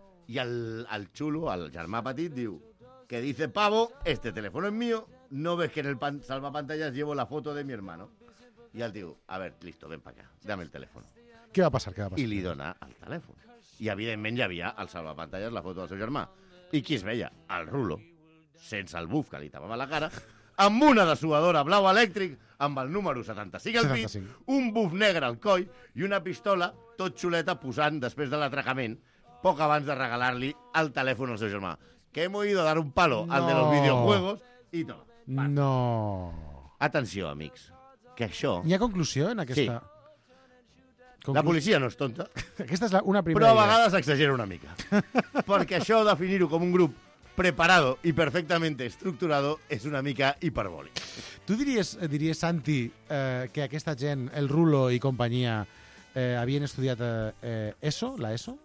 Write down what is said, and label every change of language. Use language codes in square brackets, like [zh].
[ca] I el xulo, el germà petit, diu... [es] Que dice, pavo, este teléfono es mío. No ves que en el salvapantallas llevo la foto de mi hermano. [ca] I el diu, [es] a ver, listo, ven pa acá, dame el teléfono. [ca] Què va passar? I li dona el telèfon. I evidentment ja havia al salvapantalles la foto del seu germà. I qui es veia? El Rulo, sense el buf que li tapava la cara, amb una dessuadora blau elèctric, amb el número 75 al pit, un buf negre al coll i una pistola tot xuleta posant després de l'atracament, poc abans de regalar-li el telèfon al seu germà. [es] Que hem oído dar un palo al de los videojuegos [ca] i tot. [es] No. [ca] Atenció, amics. Que això... Hi ha conclusió en aquesta... Sí. La policia no és tonta. Aquesta és una primera... Però a vegades exagera una mica. Perquè això, definir-ho com un grup [es] preparado y perfectamente estructurado, [ca] és una mica hiperbòlic. Tu diries Santi, que aquesta gent, el Rulo i companyia, havien estudiat ESO, la ESO?